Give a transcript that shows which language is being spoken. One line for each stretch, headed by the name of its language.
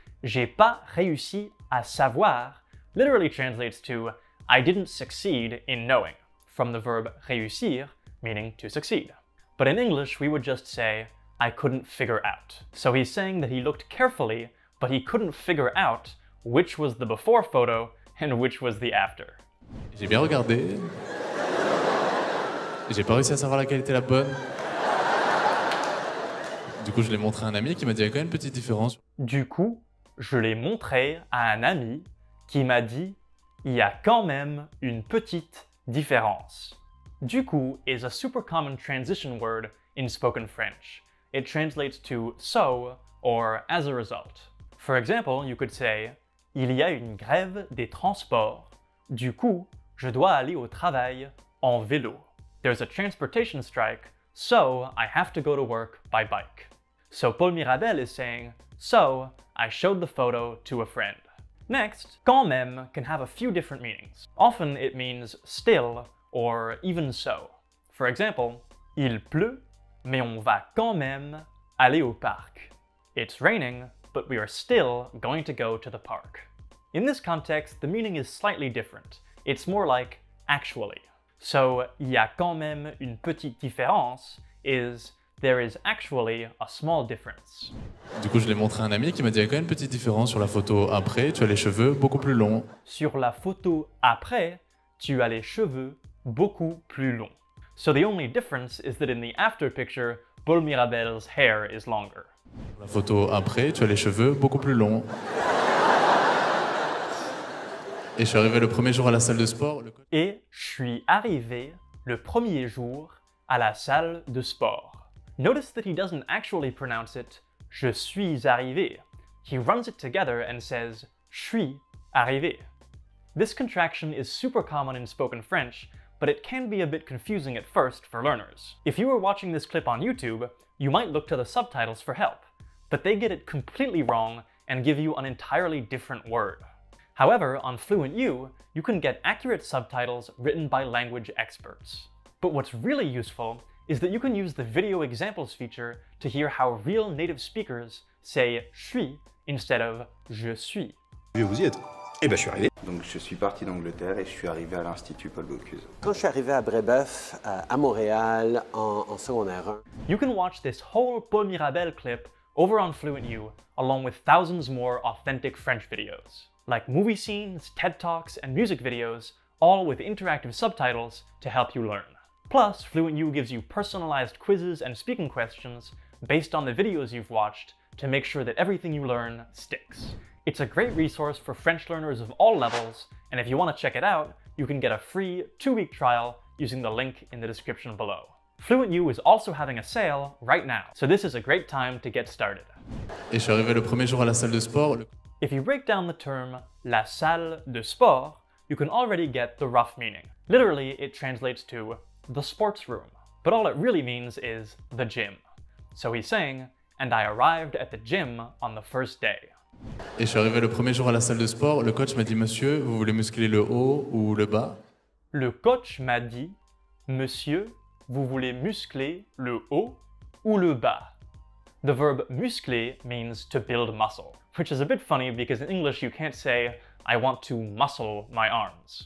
French: J'ai pas réussi à savoir
English: literally translates to I didn't succeed in knowing, from the verb réussir, meaning to succeed. But in English, we would just say, I couldn't figure out. So he's saying that he looked carefully, but he couldn't figure out which was the before photo and which was the after.
French: J'ai bien regardé. J'ai pas réussi à savoir laquelle était la bonne. Du coup, je l'ai montré à un ami qui m'a dit qu'il y a quand même une petite différence. Du coup, je l'ai montré à un ami qui m'a dit il y a quand même une petite différence.
English: Du coup is a super common transition word in spoken French. It translates to so or as a result. For example, you could say
French: il y a une grève des transports. Du coup, je dois aller au travail en vélo.
English: There's a transportation strike, so I have to go to work by bike. So Paul Mirabel is saying, so I showed the photo to a friend. Next, quand même can have a few different meanings. Often it means still or even so. For example,
French: il pleut, mais on va quand même aller au parc.
English: It's raining, but we are still going to go to the park. In this context, the meaning is slightly different. It's more like actually. So,
French: il y a quand même une petite différence
English: is there is actually a small difference.
French: Du coup, je l'ai montré à un ami qui m'a dit qu'il y a quand même une petite différence sur la photo après, tu as les cheveux beaucoup plus longs. Sur la photo après, tu as les cheveux beaucoup plus longs.
English: So the only difference is that in the after picture, Paul Mirabel's hair is longer.
French: Sur la photo après, tu as les cheveux beaucoup plus longs. Et je suis arrivé le premier jour à la salle de sport. Et je suis arrivé le premier jour à la salle de sport.
English: Notice that he doesn't actually pronounce it
French: je suis arrivé.
English: He runs it together and says
French: je suis arrivé.
English: This contraction is super common in spoken French, but it can be a bit confusing at first for learners. If you were watching this clip on YouTube, you might look to the subtitles for help, but they get it completely wrong and give you an entirely different word. However, on FluentU, you can get accurate subtitles written by language experts. But what's really useful is that you can use the video examples feature to hear how real native speakers say je suis instead of je suis.
French: Je vais vous y être. Eh ben je suis arrivé. Donc je suis parti d'Angleterre et je suis arrivé à l'Institut Paul Bocuse. Quand je suis arrivé à Brébeuf, à Montréal, en secondaire 1.
English: You can watch this whole Paul Mirabel clip over on FluentU along with thousands more authentic French videos. Like movie scenes, TED Talks, and music videos, all with interactive subtitles to help you learn. Plus, FluentU gives you personalized quizzes and speaking questions based on the videos you've watched to make sure that everything you learn sticks. It's a great resource for French learners of all levels, and if you want to check it out, you can get a free 2-week trial using the link in the description below. FluentU is also having a sale right now, so this is a great time to get started.
French: Et je suis arrivé le premier jour à la salle de sport.
English: If you break down the term la salle de sport, you can already get the rough meaning. Literally, it translates to the sports room, but all it really means is the gym. So he's saying, and I arrived at the gym on the first day.
French: Et je suis arrivé le premier jour à la salle de sport, le coach m'a dit, monsieur, vous voulez muscler le haut ou le bas? Le coach m'a dit, monsieur, vous voulez muscler le haut ou le bas?
English: The verb muscler means to build muscle, which is a bit funny because in English you can't say, I want to muscle my arms.